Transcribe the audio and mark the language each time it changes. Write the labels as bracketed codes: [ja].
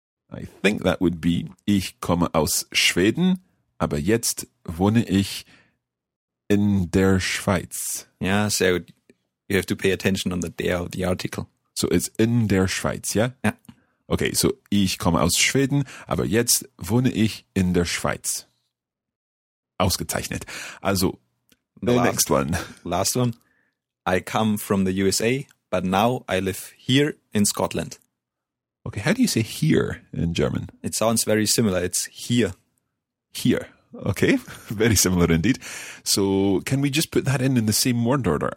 [en] I think that would be, [de] ich komme aus Schweden, aber jetzt wohne ich in der Schweiz. [en] Yeah, so you have to pay attention on the der of the article. So it's [de] in der Schweiz, [en] yeah? Yeah. Okay, so [de] ich komme aus Schweden, aber jetzt wohne ich in der Schweiz. Ausgezeichnet. Also, [en] No, next one. Last one. I come from the USA, but now I live here in Scotland. Okay, how do you say here in German? It sounds very similar. It's here. Here. Okay, very similar indeed. So can we just put that in the same word order?